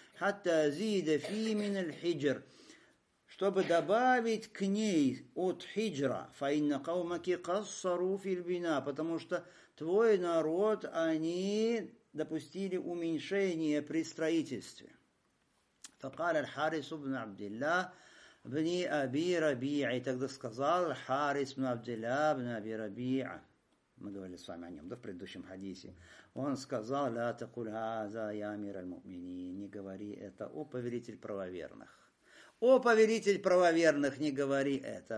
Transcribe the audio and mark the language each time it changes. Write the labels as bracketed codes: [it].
[ar] «Хатта зида фи мин аль-хиджр», [ru] чтобы добавить к ней от хиджра. [ar] «Фаинна каумаки кассару фил бина», [ru] потому что твой народ, они допустили уменьшение при строительстве. [ar] فقال الحارس بن عبد الله بن أبي ربيعة. [ru] Тогда сказал Харис бин Абдилла бин Аби Рабиа. Мы говорили с вами о нем, да, в предыдущем хадисе. Он сказал: [ar] «Ла такуль хаза я амир аль-муминин». [ru] Не говори это, о повелитель правоверных. О повелитель правоверных, не говори это.